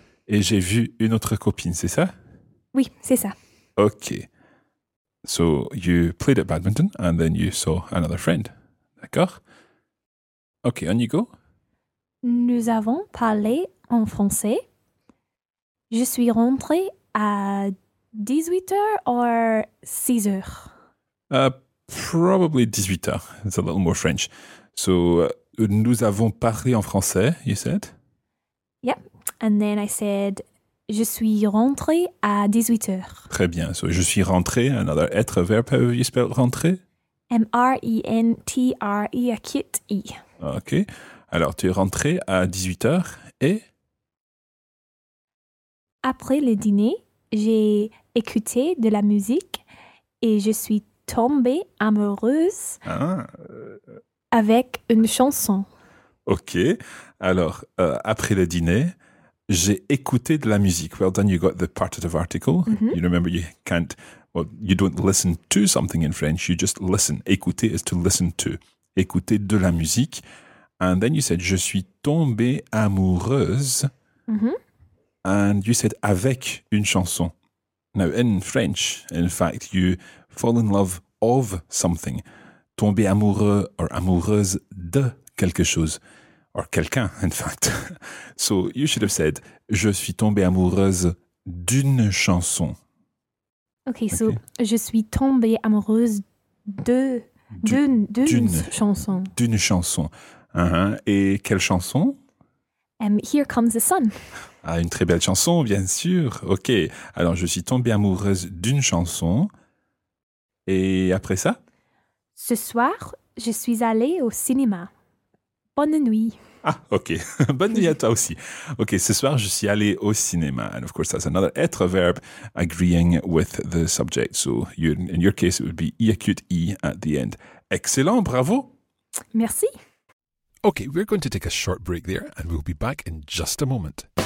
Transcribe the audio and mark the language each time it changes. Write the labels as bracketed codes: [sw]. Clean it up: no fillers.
[fr] Et j'ai vu une autre copine, c'est ça? Oui, c'est ça. [en] Okay. So, you played at badminton and then you saw another friend. D'accord? Okay, on you go. [fr] Nous avons parlé en français. Je suis rentré à 18h or 6h? [en] Probably 18h. It's a little more French. [fr] So, nous avons parlé en français, [en] you said? Yep. And then I said, [fr] je suis rentré à 18h. Très bien. [en] So, [fr] je suis rentré, [en] another être verb. How do you spell rentré? M-R-E-N-T-R-E, a cute E. [fr] OK. Alors, tu es rentré à 18h et? Après le dîner, j'ai écouté de la musique et je suis tombée amoureuse avec une chanson. [en] OK. [fr] Alors, après le dîner, j'ai écouté de la musique. [en] Well done, you got the partitive article. Mm-hmm. You remember you can't, well, you don't listen to something in French, you just listen. Écouter is to listen to. [fr] Écouter de la musique. [en] And then you said, [fr] je suis tombée amoureuse. Mm-hmm. [en] And you said, [fr] avec une chanson. [en] Now, in French, in fact, you fall in love of something. [fr] Tomber amoureux or amoureuse de quelque chose. [en] Or quelqu'un, in fact. So you should have said, [fr] je suis tombée amoureuse d'une chanson. Okay, so je suis tombée amoureuse d'une chanson. D'une chanson. Uh-huh. Et quelle chanson? [en] Here Comes the Sun. [fr] Ah, une très belle chanson, bien sûr. Okay, alors je suis tombée amoureuse d'une chanson. Et après ça? Ce soir, je suis allée au cinéma. Bonne nuit. Ah, ok. Bonne nuit à toi aussi. Ok, ce soir, je suis allée au cinéma. [en] And of course, that's another être verb agreeing with the subject. So, you, in your case, it would be I acute I at the end. Excellent, bravo. [fr] Merci. [en] Ok, we're going to take a short break there and we'll be back in just a moment.